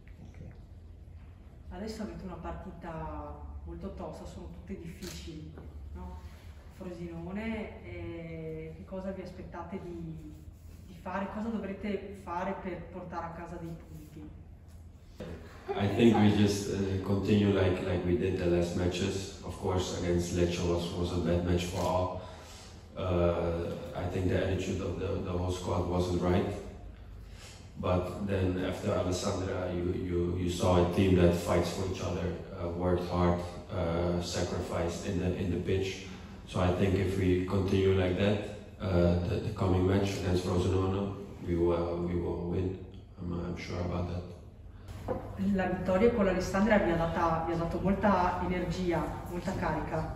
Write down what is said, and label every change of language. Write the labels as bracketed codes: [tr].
[en] Okay. [it] Adesso avete una partita molto tosta, sono tutte difficili, no? Frosinone, che cosa vi aspettate di fare? Cosa dovrete fare per portare a casa dei punti? [en] I think we just continue like we did the last matches. Of course, against Lecce was a bad match for all. I think the attitude of the whole squad wasn't right. But then after Alessandra, you saw a team that fights for each other, worked hard, sacrificed in the pitch. So I think if we continue like that, the coming match against Frosinone, we will win. I'm sure about that. [it] La vittoria con l'Alessandria vi ha dato molta energia, molta carica.